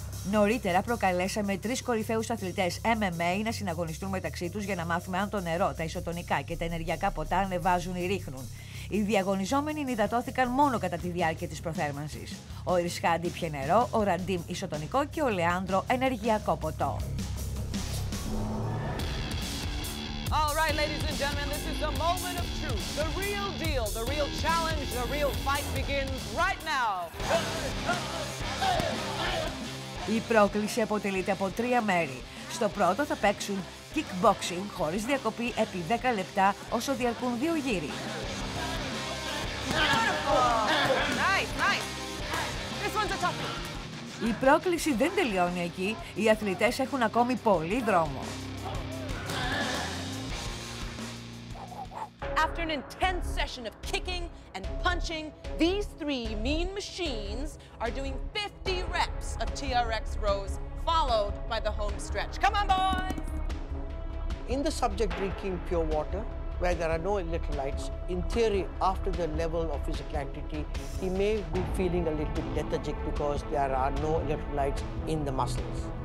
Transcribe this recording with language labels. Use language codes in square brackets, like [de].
[el] Νωρίτερα προκαλέσαμε τρεις κορυφαίους αθλητές MMA να συναγωνιστούν μεταξύ τους για να μάθουμε αν το νερό, τα ισοτονικά και τα ενεργειακά ποτά ανεβάζουν ή ρίχνουν. Οι διαγωνιζόμενοι ενυδατώθηκαν μόνο κατά τη διάρκεια της προθέρμανσης. Ο Ιρσχάντ πιε νερό, ο Ραντίμ ισοτονικό και ο Λεάνδρο ενεργειακό ποτό. [en] All right, ladies and gentlemen, this is the moment of truth. The real deal, the real challenge, the real fight begins right now. [el] Η πρόκληση αποτελείται από τρία μέρη. Στο πρώτο θα παίξουν kickboxing χωρίς διακοπή επί 10 λεπτά όσο διαρκούν δύο γύροι. Η πρόκληση δεν τελειώνει εκεί. Οι αθλητές έχουν ακόμη πολύ δρόμο. [en] After an intense session of kicking and punching, these three mean machines are doing 50 reps of TRX rows, followed by the home stretch. Come on, boys! In the subject drinking pure water, where there are no electrolytes, in theory, after the level of physical activity, he may be feeling a little bit lethargic because there are no electrolytes in the muscles.